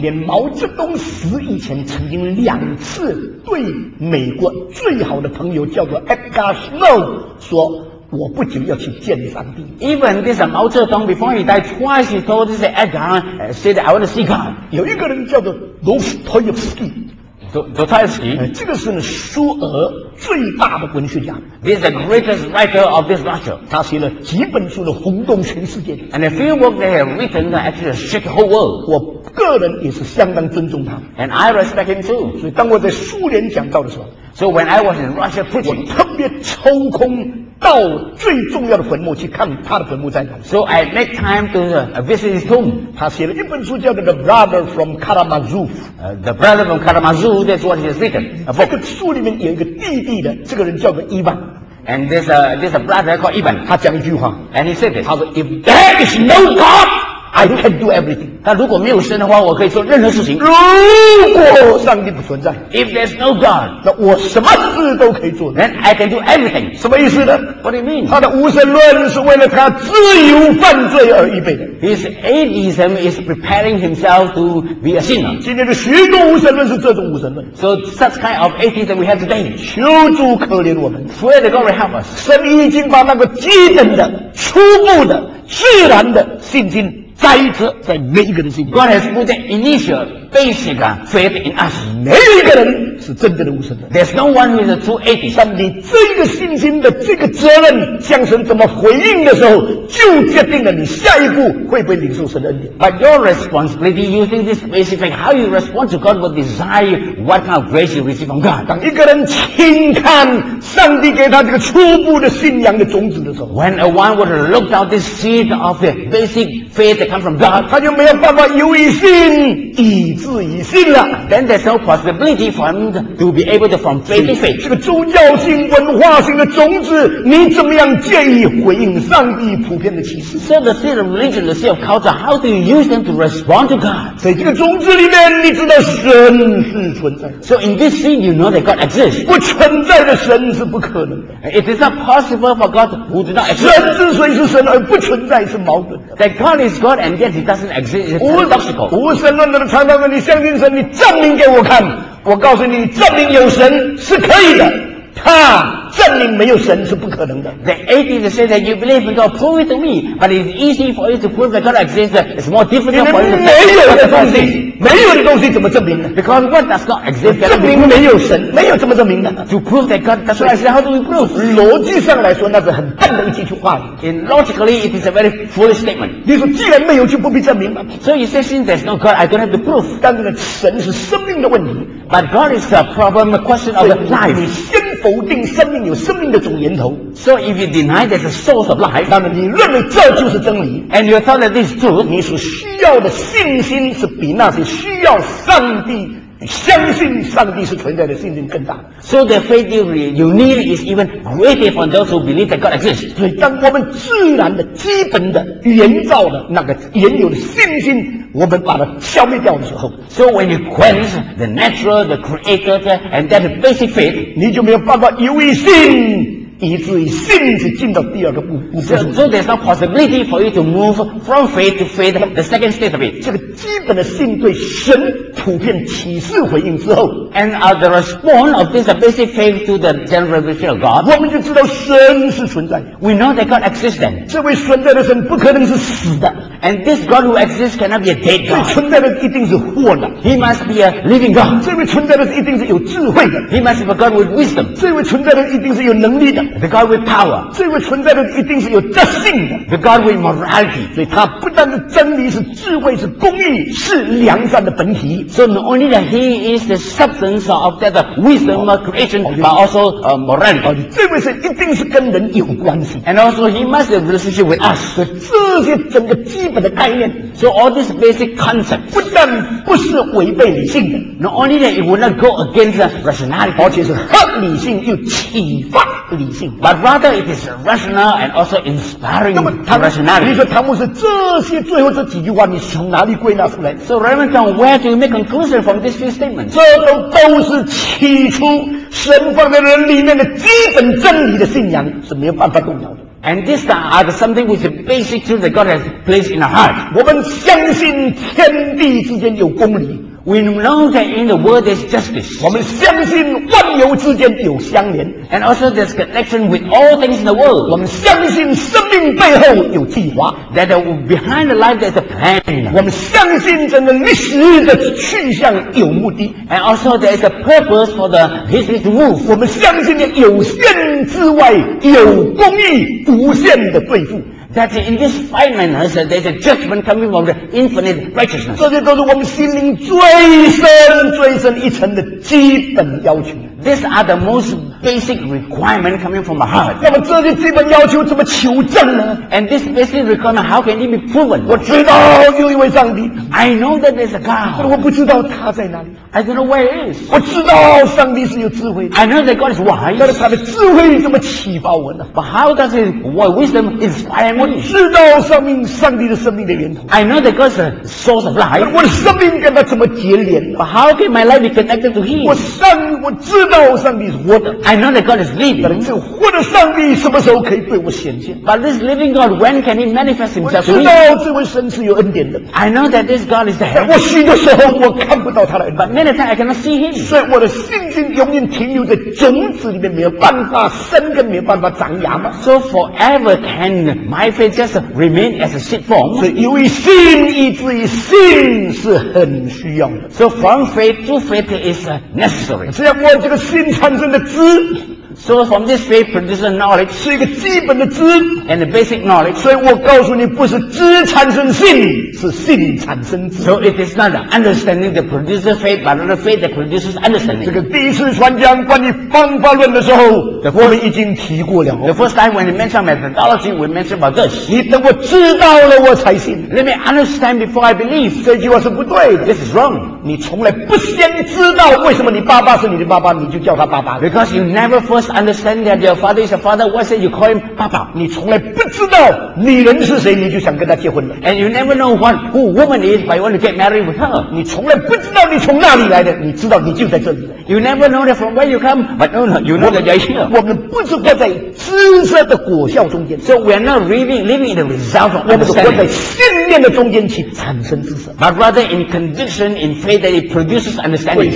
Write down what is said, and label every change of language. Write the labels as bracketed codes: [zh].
[zh] 连毛泽东死以前曾经两次对美国最好的朋友叫做 Edgar Snow 说。我不久要去见上帝。 [en] Even this Mao Zedong before he died twice, he told this Edgar, said I want to see God. [zh] 有一个人叫做 Dostoevsky。 Dostoevsky，这个是苏俄最大的文学家。 [en] This is the greatest writer of this Russia. [zh] 他写了几本书的轰动全世界。 [en] And a few books they have written actually shook the whole world. [zh] 我个人也是相当尊重他。 [en] And I respect him too. [zh] 所以当我在苏联讲道的时候 [en] ，So when I was in Russia preaching， [zh] 我特别抽空。到最重要的坟墓去看他的坟墓在哪。 [en] So I make time to visit his tomb. [zh] 他写了一本书叫做 The Brother from Karamazov. [en] The Brother from Karamazov, that's what he has written. [zh] 这个书里面有一个弟弟的，这个人叫做伊万。 [en] And there's a brother called Ivan. [zh] 他讲一句话。 [en] And he said this. [zh] 他说 [en] If there is no God, I can do everything. [zh] 他如果没有神的话，我可以做任何事情。如果上帝不存在 [en] ，If there's no God, [zh] 那我什么事都可以做。 [en] Then I can do everything. [zh] 什么意思呢 [en] ？What do you mean? [zh] 他的无神论是为了他自由犯罪而预备的。 [en] His atheism is preparing himself to be a sinner. [zh] 今天的许多无神论是这种无神论。 [en] So such kind of atheism we have today. [zh] 求主可怜我们。 [en] Pray that God will help us. [zh] 神已经把那个基本的、初步的、自然的信心。栽一颗在每一个人心里。 [en] God has put the initial basic faith in us. [zh] 每一个人是真正的无神论。 [en] There's no one who is a true atheist. [zh] 上帝这个信心的这个责任，向神怎么回应的时候，就决定了你下一步会不会领受神的恩典。 [en] But your responsibility using this basic faith, how you respond to God will decide what kind of grace you receive from God. [zh] 当一个人轻看上帝给他这个初步的信仰的种子的时候 [en] ，When a one would look down this seed of the basic faith. That come from God, [zh] 他就没有办法由于信以至于信了。 [en] Then there's no possibility for him to be able to from faith to faith. [zh] 这个宗教性、文化性的种子，你怎么样建议回应上帝普遍的启示 [en] ？So the seed of religion, the seed of culture, how do you use them to respond to God? [zh] 在这个种子里面，你知道神是存在。 [en] So in this seed, you know that God exists. [zh] 不存在的神是不可能的。 [en] It is not possible for God who does not exist. [zh] 神之所以是神而不存在是矛盾的。 [en] That God is God and yet he doesn't exist. It's paradoxical. [zh] 无神论的传道人，你相信神，你证明给我看。我告诉你，证明有神是可以的。他证明没有神是不可能的。 [en] The atheist say that you believe in God, prove it to me. But it's easy for you to prove that God exists. It's more difficult for you to prove. [zh] 没有的东西，没有的东西怎么证明呢 [en] ？Because what does God exist? [zh] 证明没有神，没有这么证明的。 [en] To prove that God does not exist, how do we prove? [zh] 逻辑上来说，那是很笨的一句话。 [en] In logically, it is a very foolish statement. [zh] 你说既然没有，就不必证明吗 [en] ？So you say, since there's no God, I don't have to prove. [zh] 但是呢，神是生命的问题。 [en] But God is a problem, a question of life. [zh] 否定生命有生命的总源头 [en] So if you deny there's a source of life [zh] 那么你认为这就是真理 [en] And you thought that this is true [zh] 你所需要的信心是比那些需要上帝相信上帝是存在的信心更大 [en] So the faith you need is even greater for those who believe that God exists [zh] 所以当我们自然的基本的原造的那个原有的信心我们把它消灭掉的时候 [en] So when you quench the natural, the creator, and that basic faith [zh] 你就没有办法由于信以至于信是进到第二个步骤 [en] So there's no possibility for you to move from faith to faith the second state of it [zh] 这个基本的信对神普遍启示回应之后 [en] And the response of this basic faith to the general revelation of God [zh] 我们就知道神是存在 [en] We know that God exists then [zh] 这位存在的神不可能是死的 [en] And this God who exists cannot be a dead God [zh] 这位存在的一定是活的 [en] He must be a living God [zh] 这位存在的一定是有智慧的 [en] He must be a God with wisdom [zh] 这位存在的一定是有能力的 [en] The God with power [zh] 这位存在的一定是有德性的 [en] The God with morality [zh] 所以他不但是真理是智慧是公义是良善的本体 [en] So not only that he is the substance of that wisdom creation, but also morality. [zh] 这位是一定是跟人有关系。 [en] And also he must have relationship with us. [zh] 所以这些整个基本的概念 [en] So all these basic concepts [zh] 不但不是违背理性的 [en] Not only that it would not go against rationality. [zh] 而且是合理性又启发理性 [en] But rather it is rational and also inspiring rationality. [zh] 你说唐牧师这些最后这几句话你从哪里归纳出来 [en] So Reverend John, where do you make conclusion from this few statements. [zh] 这都是起初神放在人里面的基本真理的信仰是没有办法动摇的。 [en] And these are something which is basic truth that God has placed in our heart. [zh] 我们相信天地之间有公理。 [en] We know that in the world there's justice. [zh] 我们相信万有之间有相连。 [en] And also there's connection with all things in the world. [zh] 我们相信生命背后有计划。 [en] That behind the life there's a plan. [zh] 我们相信整个历史的去向有目的。 [en] And also there's a purpose for the history to move. [zh] 我们相信有限之外有公义无限的对付。 [en] That in this finiteness, there's a judgment coming from the infinite righteousness. [zh] 这些都是我们心灵最深、最深一层的基本要求。 [en] These are the most basic requirement coming from the heart. [zh] 那么这个基本要求怎么求证呢？ [en] And this basic requirement, how can it be proven? [zh] 我知道有一位上帝。 [en] I know that there's a God. [zh] 但我不知道他在哪里。 [en] I don't know where he is. [zh] 我知道上帝是有智慧的。 [en] I know that God is wise. [zh] 但是他的智慧怎么启发我呢？ [en] But how does his wisdom inspire me? [zh] 我知道上帝的生命的源头。 [en] I know that God's a source of life. [zh] 我的生命跟他怎么结连？ [en] But how can my life be connected to him? [zh] 我知道上帝是活的。 [en] I know that God is living. [zh] 但这活的上帝什么时候可以对我显现？ [en] But this living God, when can he manifest himself to me? [zh] 我知道这位神是有恩典的。 [en] I know that this God is the help. [zh] 我许多时候我看不到他的恩典。 [en] But many times I cannot see him. [zh] 所以我的信心永远停留在种子里面，没有办法生根，没有办法长芽嘛。 [en] So forever can my faith just remain as a seed form? [zh] 所以由于信，以至于信是很需要的。 [en] So from faith to faith is necessary. [zh] 这样我这个信产生的知。 [en] So from this faith produces knowledge, [zh] 是一个基本的知 [en] and a basic knowledge. [zh] 所以我告诉你，不是知产生信，是信产生知。 [en] So it is not the understanding that produces faith, but the faith that produces understanding. [zh] 这个第一次传讲关于方法论的时候，我们已经提过了。 [en] The first time when we mentioned methodology, we mentioned about this. [zh] 你等我知道了，我才信。 [en] Let me understand before I believe. [zh] 这句话是不对的。 [en] This is wrong. [zh] 你从来不先知道为什么你爸爸是你的爸爸，你就叫他爸爸。 [en] Because you never first understand that your father is a father, why say you call him Papa? [zh] 你从来不知道女人是谁，你就想跟她结婚了。 [en] And you never know what who woman is, but you want to get married with her. [zh] 你从来不知道你从哪里来的，你知道你就在这里。 [en] You never know that from where you come, but no, you know that you're here. [zh] 我们不是活在知识的果效中间。 [en] So we are not living in the result of understanding. [zh] 我们是活在信念的中间去产生知识。 [en] But rather in condition, in faith that it produces understanding.